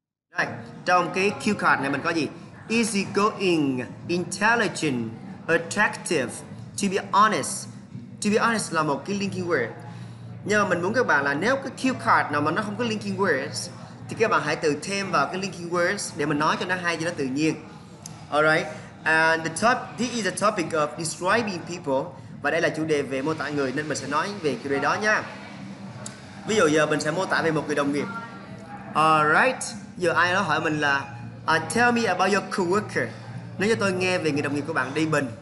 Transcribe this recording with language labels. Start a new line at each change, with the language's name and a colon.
Vietnamese: Đây, trong cái cue card này mình có gì?
English: Easygoing, intelligent, attractive, to be honest.
Vietnamese: To be honest là một cái linking word. Nhưng mà mình muốn các bạn là nếu cái cue card nào mà nó không có linking words, thì các bạn hãy tự thêm vào cái linking words để mình nói cho nó hay, cho nó tự nhiên.
English: Alright, and this is the topic of describing people.
Vietnamese: Và đây là chủ đề về mô tả người, nên mình sẽ nói về chủ đề đó nha. Ví dụ giờ mình sẽ mô tả về một người đồng nghiệp. Alright, giờ ai đó hỏi mình là
English: tell me about your coworker.
Vietnamese: Nói cho tôi nghe về người đồng nghiệp của bạn đi bình.